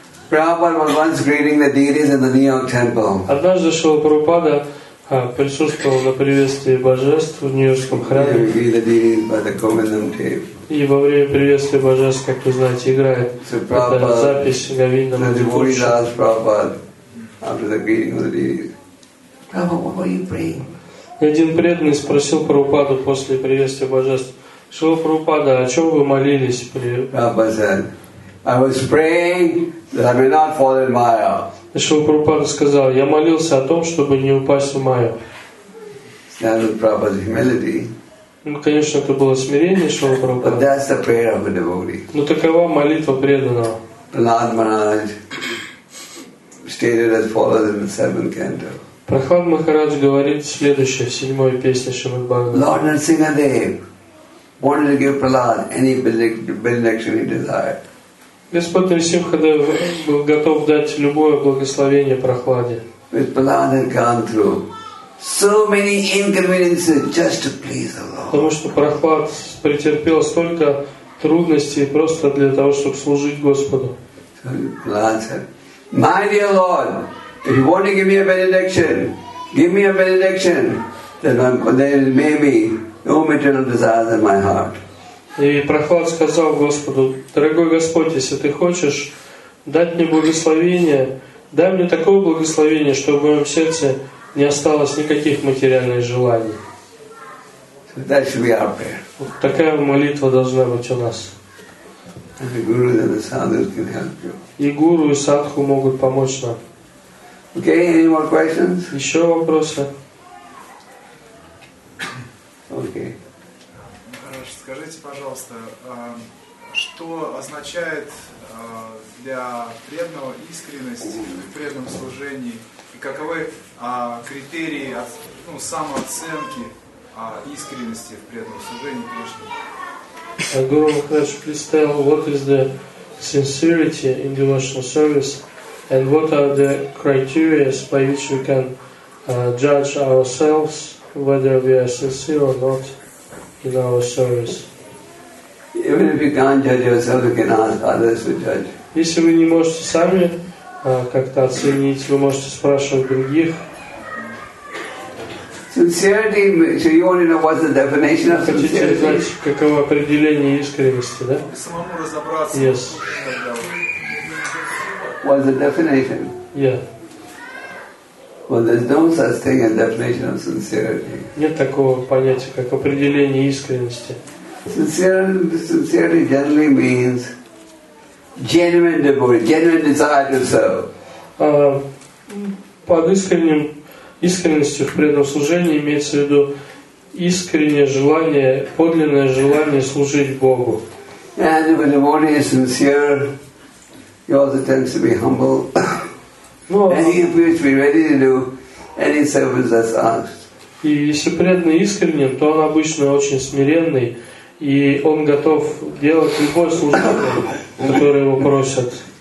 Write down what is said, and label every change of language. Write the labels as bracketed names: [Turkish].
[English] Prabhupada was once greeting the deities in the New York Temple. [Russian] Однажды Шрила Прабхупада присутствовал на приветствии божеств в Нью-Йоркском храме. И во время приветствия божеств, как вы знаете, играет запись Говинда Мадхуши. Один преданный спросил Прабхупаду после приветствия божеств: Шрила Прабхупада, о чем вы молились при? [English] I was praying that I may not fall in Maya. [Russian] Шрила Прабхупада сказал: я молился о том, чтобы не упасть в Майю. [English] That was Prabhupada's humility. [Russian] Ну, конечно, это было смирение Шрила Прабхупада. [English] But that's the prayer of a devotee. [Russian] Но такова молитва преданного. [English] Prahlad Maharaj stated as follows in the seventh canto. [Russian] Прохлад Махарадж говорит следующее в седьмой песне Шримад Бхагаватам. [English] Lord Narsingadev wanted to give Prahlad any benediction he desired. [Russian] Господь Нарсимхадев был готов дать любое благословение Прохладе. [English] With Prahlad had gone through so many inconveniences just to please the Lord. [Russian] Потому что Прохлад претерпел столько трудностей просто для того, чтобы служить Господу. [English] Prahlad said, my dear Lord, if you want to give me a benediction, give me a benediction, then maybe no material desires in my heart. [Russian] И Прохлад сказал Господу: дорогой Господь, если ты хочешь дать мне благословение, дай мне такое благословение, чтобы в моем сердце не осталось никаких материальных желаний. [English] So that should be our prayer. [Russian] Вот такая молитва должна быть у нас. [English] And the guru and the sadhu can help you. [Russian] И гуру, и садху могут помочь нам. [English] Okay, any more questions? [Russian] Еще вопросы? [English] Okay. [Russian] Скажите, пожалуйста, что означает для преданного искренность в преданном служении? И каковы критерии самооценки искренности в преданном служении Кришне? [English] Guru Maharaj, please tell, what is the sincerity in devotional service and what are the criteria by which we can judge ourselves whether we are sincere or not in our service? Even if you can't judge yourself, you can ask others to judge. [Russian] Если вы не можете сами как-то оценить, вы можете спрашивать других. [English] Sincerity. So you want to know what's the definition of sincerity? [Russian] Хотите знать, каково определение искренности, да? Самому разобраться. [English] Yes. What's the definition? Yeah. Well, there's no such thing as definition of sincerity. [Russian] Нет такого понятия, как определение искренности. [English] Sincerity generally means genuine devotion, genuine desire to serve. [Russian] Под искренностью в преданном служении имеется в виду искреннее желание, подлинное желание служить Богу. [English] And if a devotee is sincere, he also tends to be humble. And he appears to be ready to do any service that's asked. [Russian] И если преданный искренен, то он обычно очень смиренный. И он готов делать любое служение, которое его просят.